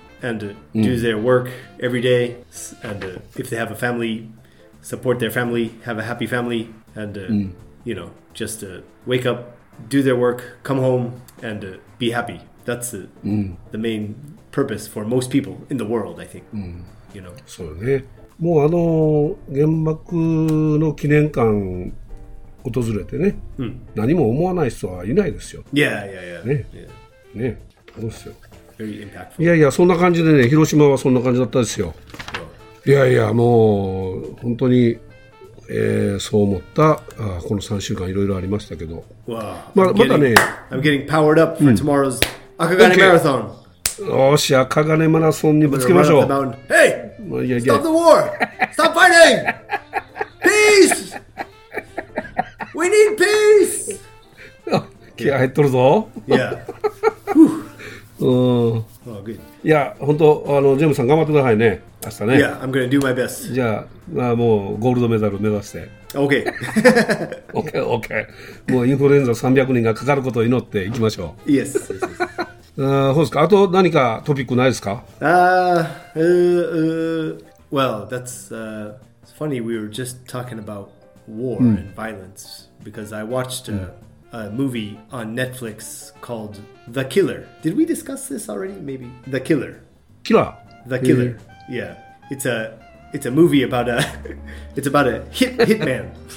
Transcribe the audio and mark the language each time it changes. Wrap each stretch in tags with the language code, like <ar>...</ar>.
<en>And do their work every day. And、if they have a family, support their family, have a happy family. And,、you know, just、wake up, do their work, come home, and、be happy. That's、the main purpose for most people in the world, I think.、You know.</en> <ja>そうね。もうあの原爆の記念館訪れてね、何も思わない人はいないですよ。</ja> <en>Yeah.</en> <ja>ね。ね。どうですよ。</ja> <en>Very impactful.</en> <ja>いやいやそんな感じでね広島はそんな感じだったですよ、いやいやもう本当に、そう思ったあこの3週間いろいろありましたけど、</ja> <en>wow.</en> <ja>またね</ja> <en>I'm getting powered up for tomorrow's あかがねマラソン、</en> <ja>よしあかがねマラソンにぶつけましょう、</ja> <en>Hey! いやいや Stop the war! Stop fighting! Peace! We need peace!</en> <ja>気合入っとるぞ、</ja> <en>Oh, good.</en> <ja>いや本当ジェームさん頑張ってくださいね明日ね。</ja> <en>Yeah, I'm gonna do my best.</en> <ja>じゃあ、まあ、もうゴールドメダル目指して。</ja> <en>Okay. okay, okay.</en> <ja>もうインフルエンザ300人がかかることを祈っていきましょう。</ja> <en>Yes. yes, yes.</en> <ja>あそうですか。あと何かトピックないですか。</ja> <en>Well, that's funny. We were just talking about war and violence because I watched.、A movie on Netflix called The Killer. Did we discuss this already? Maybe. The Killer. Killer. The Killer. Mm-hmm. Yeah. It's a movie about a, it's about a hitman.</en>